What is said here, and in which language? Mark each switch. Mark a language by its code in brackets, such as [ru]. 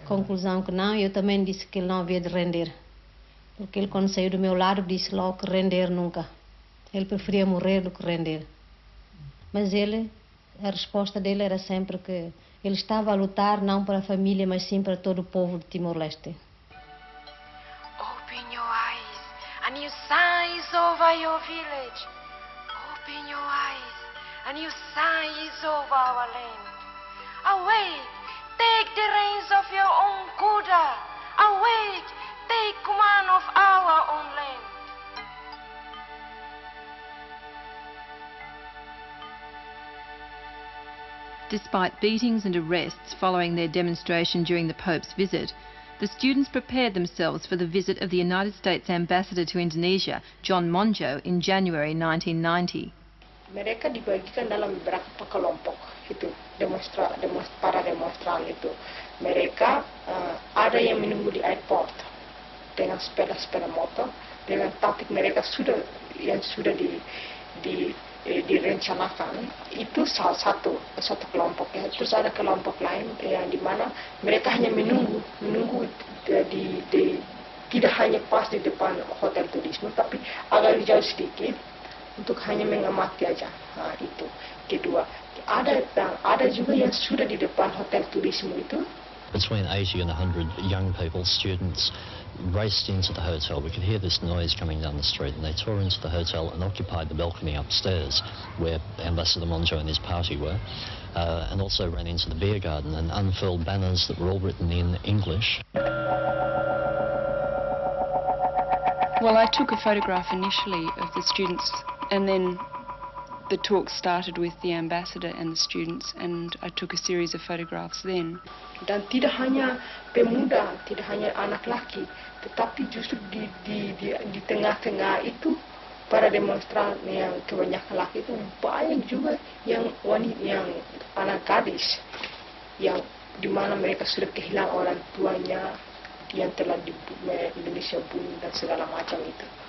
[pt] Conclusão que não, e eu também disse que ele não havia de render. Porque ele, quando saiu do meu lado, disse logo que render nunca. Ele preferia morrer do que render. Mas ele... A resposta dele era sempre que ele estava a lutar não para a família, mas sim para todo o povo de Timor-Leste. [en] Open your eyes, a new sun is over your village. Open your eyes, a new sun is over our land. Awake, take the reins of your own kuda. Awake, take command of our own land. Despite beatings and arrests following their demonstration during the Pope's visit, the students prepared themselves for the visit of the United States Ambassador to Indonesia, John Monjo, in January 1990. [id] Mereka dibagikan dalam beberapa kelompok itu para demonstran itu. Mereka ada yang menunggu di airport dengan sepeda motor dengan tatik mereka sudah direncanakan itu salah satu kelompok ya. Terus ada kelompok lain yang di mana mereka hanya menunggu di tidak hanya pas di depan hotel turisme tapi agak jauh sedikit untuk hanya mengamati aja. Nah, itu kedua. Ada juga yang sudah di depan hotel turisme itu. [en] Between 80 and 100 young people, students, raced into the hotel. We could hear this noise coming down the street, and they tore into the hotel and occupied the balcony upstairs where Ambassador Monjo and his party were, and also ran into the beer garden and unfurled banners that were all written in English. Well, I took a photograph initially of the students, and then the talk started with the ambassador and the students, and I took a series of photographs then. [id] Dan tidak hanya pemuda, tidak hanya anak laki, tetapi justru di tengah-tengah itu para demonstran yang kebanyakan laki itu banyak juga yang wanita, yang anak gadis, yang di mana mereka sudah kehilangan orang tuanya yang telah di Indonesia bunuh dan segala macam itu.